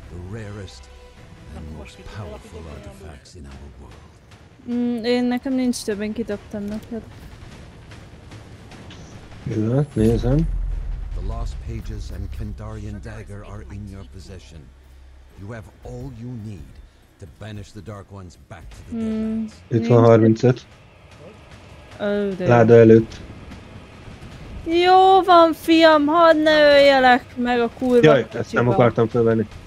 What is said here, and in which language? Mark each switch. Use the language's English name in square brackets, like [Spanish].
[English] Rarest and most powerful artifacts in our world. [Hungarian] Én nekem nincs több, én kidobtam neked. Jó, nézem. [English] The lost pages and Kandarian dagger are in your possession. You have all you need to banish the dark ones back to the deadlands. [Hungarian] Itt van 35. Láda előtt. Jó van, fiam, hadd ne öljelek meg a kurva kicsiba. Jaj, ezt nem akartam fölvenni.